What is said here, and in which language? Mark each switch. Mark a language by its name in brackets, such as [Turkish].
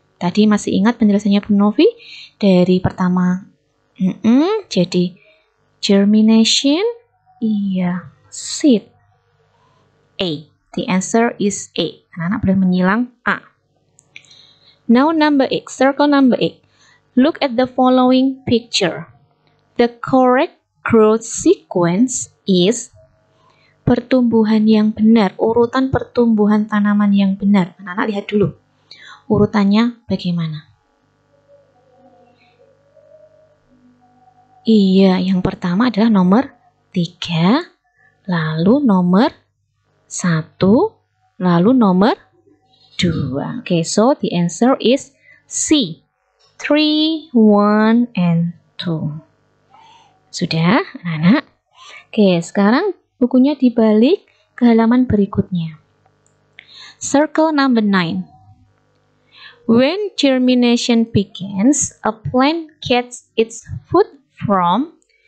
[Indonesian] Tadi masih ingat penjelasannya Bu Novi dari pertama. Jadi germination, iya, seed. [English] A. The answer is A. [Indonesian] Anak-anak boleh menyilang A. [English] Now number 8, circle number 8. Look at the following picture. The correct growth sequence is [Indonesian] pertumbuhan yang benar, urutan pertumbuhan tanaman yang benar. Anak-anak lihat dulu. Urutannya bagaimana? Iya, yang pertama adalah nomor 3, lalu nomor 1, lalu nomor 2. [English] Okay, so the answer is C. 3, 1, and 2. [Indonesian] Sudah, anak-anak? Okay, sekarang bukunya dibalik ke halaman berikutnya. [English] Circle number 9. When germination begins, a plant gets its food from.